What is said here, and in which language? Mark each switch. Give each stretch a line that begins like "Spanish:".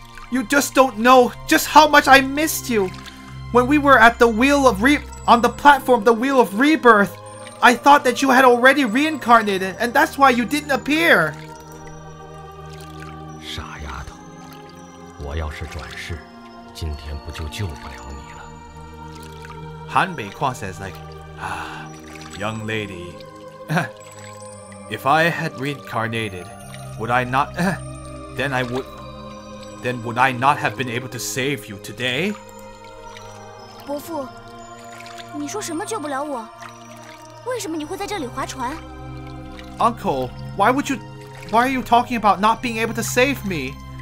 English: You just don't know just how much I missed you." When we were at the Wheel of Rebirth, I thought that you had already reincarnated, and that's why you didn't appear.
Chinese: 傻丫头，我要是转世，今天不就救不了你了。
English: Han Bei Kuang says like, young lady, if I had reincarnated, would I not, then would I not have been able to save you today?
Chinese: 伯父，你说什么救不了我？为什么你会在这里划船
English: ？Uncle, why are you talking about not being able to save me?